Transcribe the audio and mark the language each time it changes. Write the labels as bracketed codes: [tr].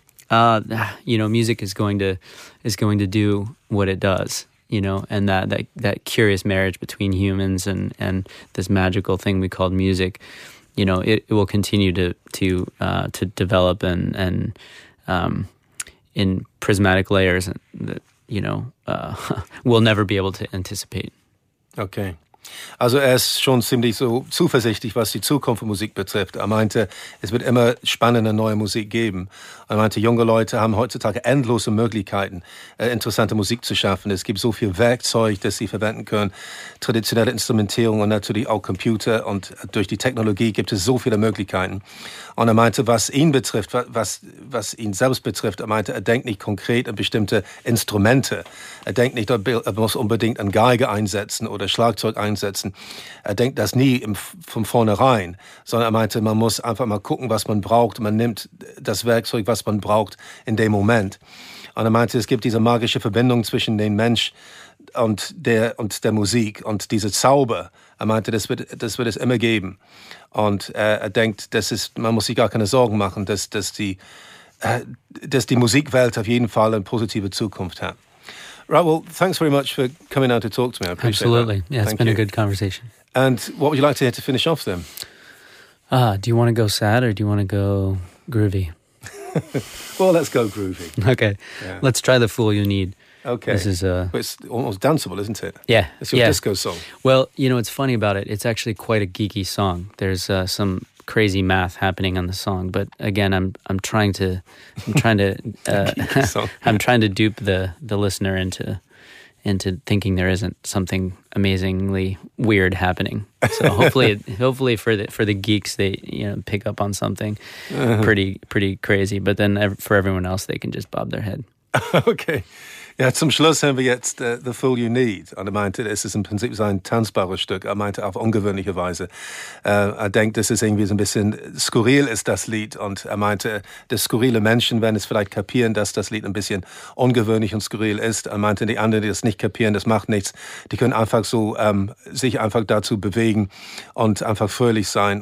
[en] you know, music is going to do what it does, you know, and that curious marriage between humans and this magical thing we called music, you know, it will continue to develop and in prismatic layers that, you know, we'll never be able to anticipate. Okay. [de] Also er ist schon ziemlich so zuversichtlich, was die Zukunft von Musik betrifft. Er meinte, es wird immer spannende neue Musik geben. Er meinte, junge Leute haben heutzutage endlose Möglichkeiten, interessante Musik zu schaffen. Es gibt so viel Werkzeug, das sie verwenden können, traditionelle Instrumentierung und natürlich auch Computer. Und durch die Technologie gibt es so viele Möglichkeiten. Und er meinte, was ihn betrifft, was ihn selbst betrifft, er meinte, er denkt nicht konkret an bestimmte Instrumente. Er denkt nicht, er muss unbedingt eine Geige einsetzen oder Schlagzeug einsetzen. Er denkt das nie von vornherein, sondern er meinte, man muss einfach mal gucken, was man braucht. Man nimmt das Werkzeug, was man braucht, in dem Moment. Und er meinte, es gibt diese magische Verbindung zwischen dem Mensch und der Musik und diese Zauber. Er meinte, das wird es immer geben. Und er denkt, man muss sich gar keine Sorgen machen, dass die Musikwelt auf jeden Fall eine positive Zukunft hat. [en] Right, well, thanks very much for coming out to talk to me. I appreciate it. Absolutely. Yeah, it's been a good conversation. And what would you like to hear to finish off then? Do you want to go sad or do you want to go groovy? Well, let's go groovy. Okay. Yeah. Let's try The Fool You Need. Okay. This is a... But it's almost danceable, isn't it? Yeah. It's your disco song. Well, you know, it's funny about it. It's actually quite a geeky song. There's some crazy math happening on the song. But again, I'm trying to dupe the listener into thinking there isn't something amazingly weird happening. So hopefully for the geeks, they, you know, pick up on something pretty crazy. But then for everyone else, they can just bob their head. [de] Okay. Ja, zum Schluss haben wir jetzt The Fool You Need. Und er meinte, es ist im Prinzip sein tanzbares Stück. Er meinte auf ungewöhnliche Weise. Er denkt, dass es irgendwie so ein bisschen skurril ist, das Lied. Und er meinte, dass skurrile Menschen werden es vielleicht kapieren, dass das Lied ein bisschen ungewöhnlich und skurril ist. Er meinte, die anderen, die das nicht kapieren, das macht nichts. Die können einfach so sich einfach dazu bewegen und einfach fröhlich sein.